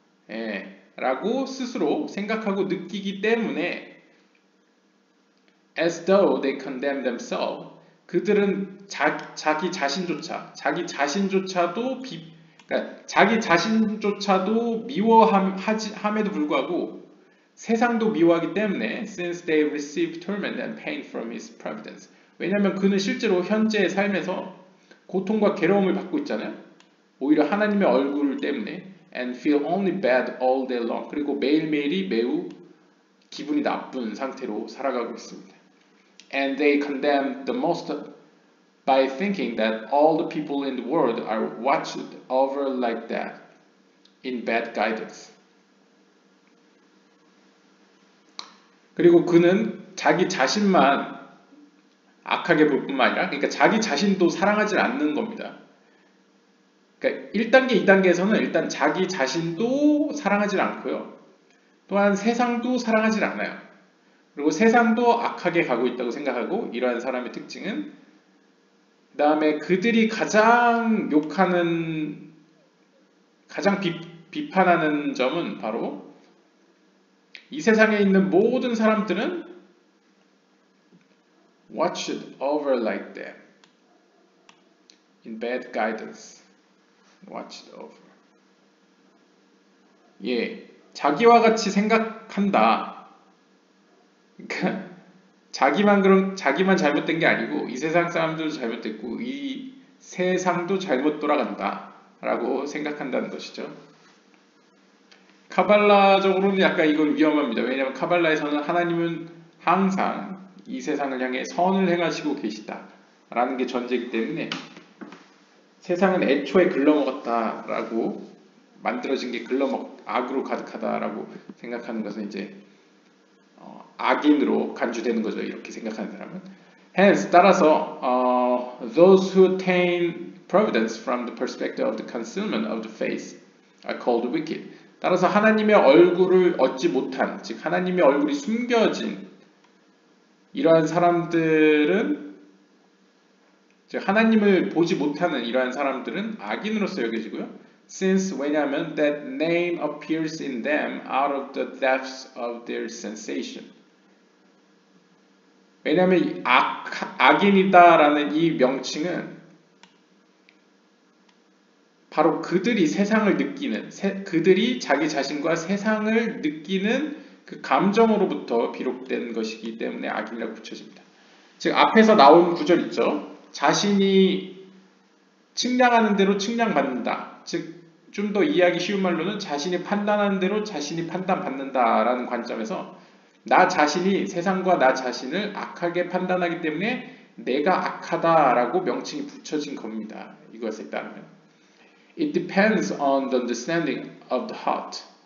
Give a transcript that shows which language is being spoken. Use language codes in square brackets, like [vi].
[ko] 예, 라고 스스로 생각하고 느끼기 때문에 [en] as though they condemn themselves [ko] 그들은 자기 자신조차 그러니까 자기 자신조차도 미워함에도 불구하고 세상도 미워하기 때문에 [en] since they receive torment and pain from his providence [ko] 왜냐하면 그는 실제로 현재의 삶에서 고통과 괴로움을 받고 있잖아요. 오히려 하나님의 얼굴 때문에 [en] and feel only bad all day long [ko] 그리고 매일매일이 매우 기분이 나쁜 상태로 살아가고 있습니다. [en] And they condemn the most by thinking that all the people in the world are watched over like that in bad guidance. [ko] 그리고 그는 자기 자신만 악하게 볼 뿐만 아니라 그러니까 자기 자신도 사랑하지 않는 겁니다. 그러니까 1단계, 2단계에서는 일단 자기 자신도 사랑하지 않고요. 또한 세상도 사랑하지 않아요. 그리고 세상도 악하게 가고 있다고 생각하고 이러한 사람의 특징은 그 다음에 그들이 가장 욕하는 가장 비판하는 점은 바로 이 세상에 있는 모든 사람들은 [en] watched over like that in bad guidance watched over [ko] 예, 자기와 같이 생각한다 자기만 잘못된 게 아니고 이 세상 사람들도 잘못됐고 이 세상도 잘못 돌아간다 라고 생각한다는 것이죠. 카발라적으로는 약간 이건 위험합니다. 왜냐하면 카발라에서는 하나님은 항상 이 세상을 향해 선을 행하시고 계시다 라는 게 전제이기 때문에 세상은 애초에 글러먹었다 라고 만들어진 게 악으로 가득하다 라고 생각하는 것은 이제 악인으로 간주되는 거죠. 이렇게 생각하는 사람은. [en] Hence, [ko] 따라서 [en] those who attain providence from the perspective of the concealment of the face are called wicked. [ko] 따라서 하나님의 얼굴을 얻지 못한, 즉 하나님의 얼굴이 숨겨진 이러한 사람들은 즉 하나님을 보지 못하는 이러한 사람들은 악인으로서 여겨지고요. [en] Since [ko] 왜냐하면 [en] that name appears in them out of the depths of their sensation. [ko] 왜냐하면 악인이다라는 이 명칭은 바로 그들이 세상을 느끼는 그들이 자기 자신과 세상을 느끼는 그 감정으로부터 비롯된 것이기 때문에 악인이라고 붙여집니다. 즉 앞에서 나온 구절 있죠. 자신이 측량하는 대로 측량받는다. 즉 좀 더 이해하기 쉬운 말로는 자신이 판단하는 대로 자신이 판단받는다라는 관점에서 나 자신이 세상과 나 자신을 악하게 판단하기 때문에 내가 악하다라고 명칭이 붙여진 겁니다. 이것에 따르면 [en] It depends on the understanding of the heart.